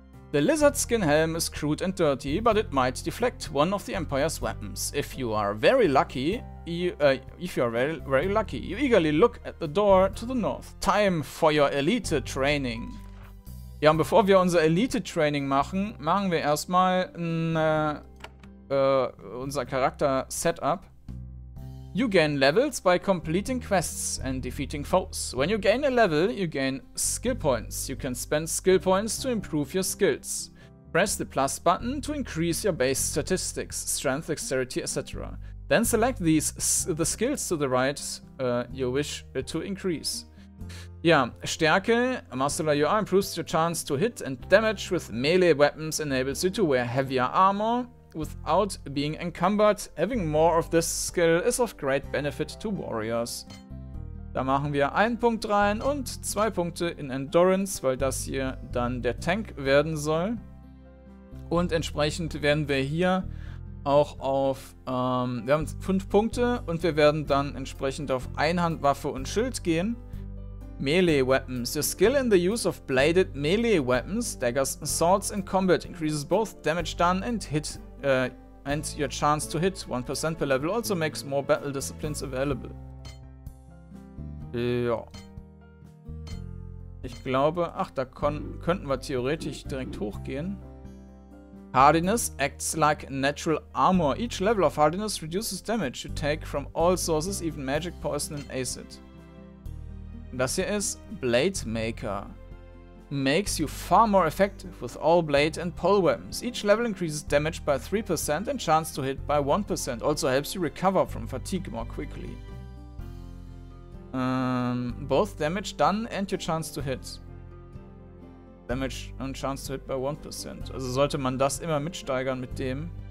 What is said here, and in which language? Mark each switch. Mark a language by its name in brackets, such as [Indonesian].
[English] The lizard skin helm is crude and dirty, but it might deflect one of the Empire's weapons. If you are very lucky, you eagerly look at the door to the north. Time for your elite training. [German] Ja, und bevor wir unser Elite-Training machen, machen wir erstmal unser Charakter-Setup. [English] You gain levels by completing quests and defeating foes. When you gain a level, you gain skill points. You can spend skill points to improve your skills. Press the plus button to increase your base statistics, strength, dexterity, etc. Then select the skills to the right you wish to increase. Ja, Stärke, a muscular UI improves your chance to hit and damage with melee weapons, enables you to wear heavier armor without being encumbered. Having more of this skill is of great benefit to warriors. [German] Da machen wir einen Punkt rein und zwei Punkte in Endurance, weil das hier dann der Tank werden soll. Und entsprechend werden wir hier auch auf, wir haben fünf Punkte und wir werden dann entsprechend auf Einhandwaffe und Schild gehen. [English] Melee Weapons. Your skill in the use of bladed melee weapons, daggers and swords in combat increases both damage done and hit and your chance to hit 1% per level also makes more battle disciplines available. [German] Ja. Ich glaube, ach, da könnten wir theoretisch direkt hochgehen. [English] Hardiness acts like natural armor. Each level of hardiness reduces damage you take from all sources, even magic, poison and acid. Das hier ist Blade Maker. makes you far more effective with all blade and pole weapons. Each level increases damage by 3% and chance to hit by 1%. Also helps you recover from fatigue more quickly. Both damage done and your chance to hit. Damage and chance to hit by 1%. [German] Also sollte man das immer mitsteigern mit dem.